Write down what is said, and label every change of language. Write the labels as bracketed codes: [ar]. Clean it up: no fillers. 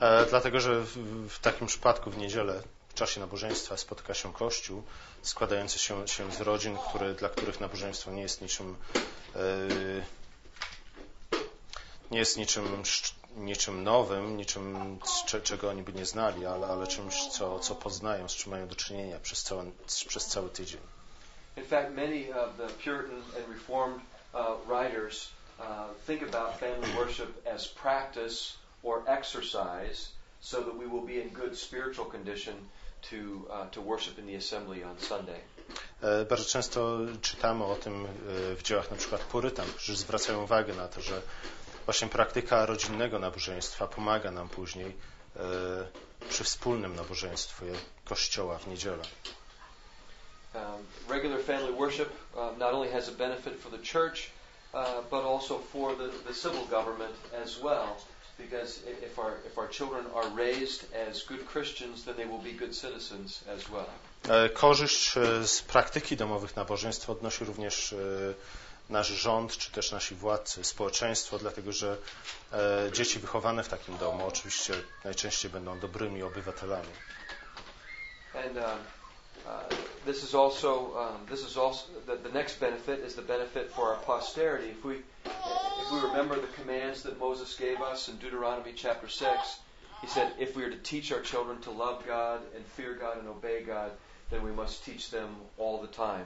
[pl] Dlatego, że w takim przypadku w niedzielę w czasie nabożeństwa spotyka się kościół składający się z rodzin, dla których nabożeństwo nie jest niczym. Nie jest niczym nowym, niczym, czego oni by nie znali, ale czymś, co poznają, z czym mają do czynienia przez cały tydzień. [en] In fact, many of the Puritan and Reformed writers think about family worship as practice or exercise, so that we will be in good spiritual condition to worship in the assembly on Sunday. [pl] Bardzo często czytamy o tym w dziełach na przykład Purytan, którzy zwracają uwagę na to, że właśnie praktyka rodzinnego nabożeństwa pomaga nam później przy wspólnym nabożeństwie kościoła w niedzielę. [en] Regular family worship not only has a benefit for the church, but also for the civil government as well. Because if our children are raised as good Christians, then they will be good citizens as well. [pl] Korzyść z praktyki domowych nabożeństw odnosi również nasz rząd, czy też nasi władcy, społeczeństwo, dlatego że dzieci wychowane w takim domu oczywiście najczęściej będą dobrymi obywatelami. [en] And this is also this is also the next benefit is the benefit for our posterity. If we remember the commands that Moses gave us in Deuteronomy chapter 6, he said if we are to teach our children to love God and fear God and obey God, then we must teach them all the time.